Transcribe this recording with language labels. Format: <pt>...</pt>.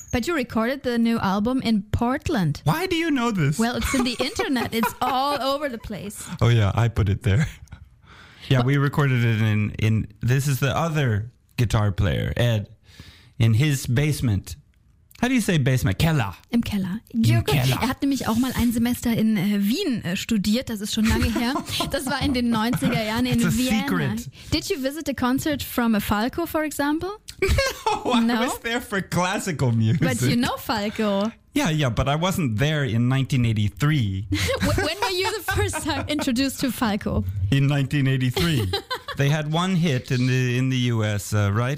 <en>But you recorded the new album in Portland. Why do you know this? Well, it's in the internet. It's all over the place. Oh, yeah. I put it there. Yeah, we recorded it in this is the other guitar player, Ed, in his basement. How do you say basement? Keller.</en> <de>Im Keller. Im Keller. Er hat nämlich auch mal ein Semester in Wien studiert. Das ist schon lange her. Das war in den 90er Jahren in Vienna.</de> <en>Secret. Did you visit a concert from a Falco, for example? No, I was there for classical music. But you know Falco. Yeah, but I wasn't there in 1983. When were you the first time introduced to Falco? In 1983. They had one hit in the US, right?</en>